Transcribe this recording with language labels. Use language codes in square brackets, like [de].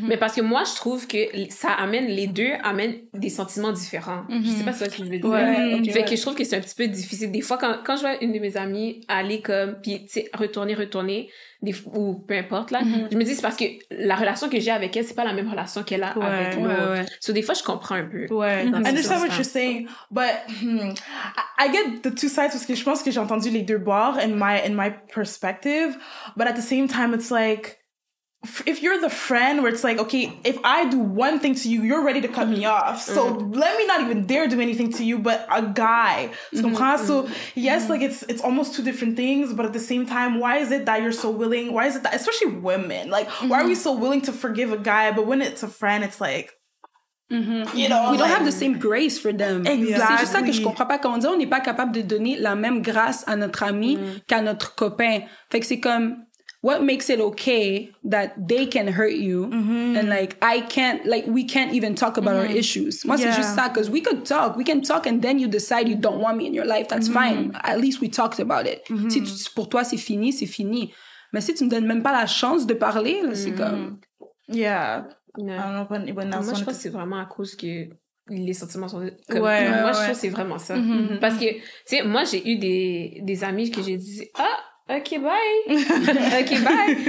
[fr] Mais parce que moi, je trouve que ça amène, les deux amènent des sentiments différents. Mm-hmm. Je sais pas ce que je veux dire. Ouais, okay, fait que je trouve que c'est un petit peu difficile. Des fois, quand je vois une de mes amies aller comme, puis tu sais, retourner, des, ou peu importe, là, mm-hmm. je me dis, c'est parce que la relation que j'ai avec elle, c'est pas la même relation qu'elle a ouais, avec l'autre. Ouais, ouais. So, des fois, je comprends un peu. Ouais. [en] Mm-hmm. I understand what you're saying, but I get the two sides [fr] parce que je pense que j'ai entendu les deux bords [en] in my perspective, but at the same time, it's like, if you're the friend where it's like, okay, if I do one thing to you, you're ready to cut me off. So mm-hmm. let me not even dare do anything to you, but a guy. Mm-hmm. [fr] Tu comprends? [en] So yes, mm-hmm. like it's almost two different things, but at the same time, why is it that you're so willing? Why is it that, especially women, like, mm-hmm. why are we so willing to forgive a guy? But when it's a friend, it's like, mm-hmm. you know, we don't have the same grace for them. Exactly. [fr] C'est juste ça que je comprends pas. Quand on dit, on n'est pas capable de donner la même grâce à notre ami mm-hmm. qu'à notre copain. Fait que c'est comme, [en] what makes it okay that they can hurt you mm-hmm. and like I can't, like we can't even talk about mm-hmm. our issues. Moi, yeah. c'est juste ça, because we could talk. We can talk and then you decide you don't want me in your life. That's mm-hmm. fine. At least we talked about it. Mm-hmm. [fr] Si pour toi c'est fini, c'est fini. Mais si tu me donnes même pas la chance de parler, là, c'est comme... [en] Yeah. [fr] Moi, je pense que c'est vraiment à cause que les sentiments sont... Comme, ouais, moi, ouais. je trouve que c'est vraiment ça. Mm-hmm. Parce que, tu sais, moi, j'ai eu des amis que j'ai dit, ah, OK, bye.